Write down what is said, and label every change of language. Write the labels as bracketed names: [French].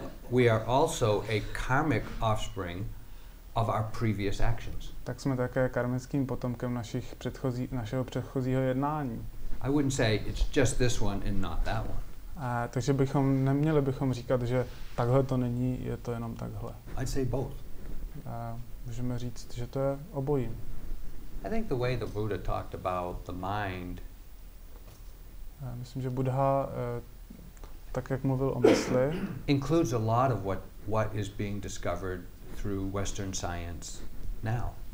[English] We are also a karmic offspring of our previous actions. [Czech] Tak jsme také karmickým potomkem našeho předchozího jednání. [English] I wouldn't say it's just this one and not that one. [Czech] Takže bychom neměli bychom říkat, že takhle to není, je to jenom takhle. [English] I'd say both. [Czech] Můžeme říct, že to je obojím. [English] I think the way the Buddha talked about the mind. [Czech] Myslím, že Buddha tak jak mluvil o mysli, [English] includes a lot of what is being discovered through Western science now.